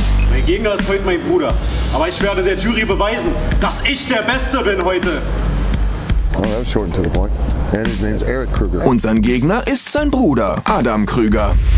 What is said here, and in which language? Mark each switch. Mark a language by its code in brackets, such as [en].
[de] Mein Gegner ist heute mein Bruder. Aber ich werde der Jury beweisen, dass ich der Beste bin heute. [en] Oh, that's short and to the point. And his name is Erik Krüger. [de] Und sein Gegner ist sein Bruder, Adam Krüger.